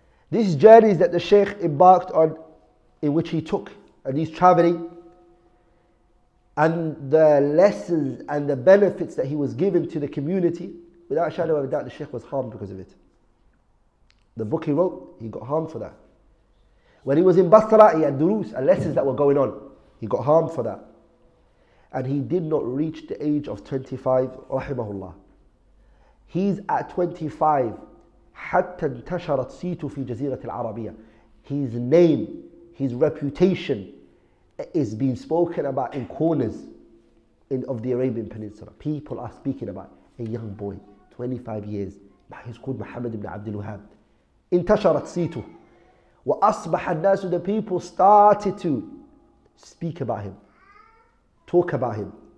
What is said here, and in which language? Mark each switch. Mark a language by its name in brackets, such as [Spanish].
[English] These journeys that the Shaykh embarked on, in which he took, and he's traveling, and the lessons and the benefits that he was given to the community, without a shadow of a doubt, the Shaykh was harmed because of it. The book he wrote, he got harmed for that. When he was in Basra, he had durus and lessons that were going on. He got harmed for that. And he did not reach the age of 25, rahimahullah. He's at 25. [Arabic] حتى انتشرت سيته في جزيرة العربية. [English] His name, his reputation is being spoken about in corners of the Arabian Peninsula. People are speaking about a young boy, 25 years. He's called Muhammad ibn Abdul Wahab. [Arabic] انتشرت سيته. وأصبح الناس, [English] the people started to speak about him, talk about him.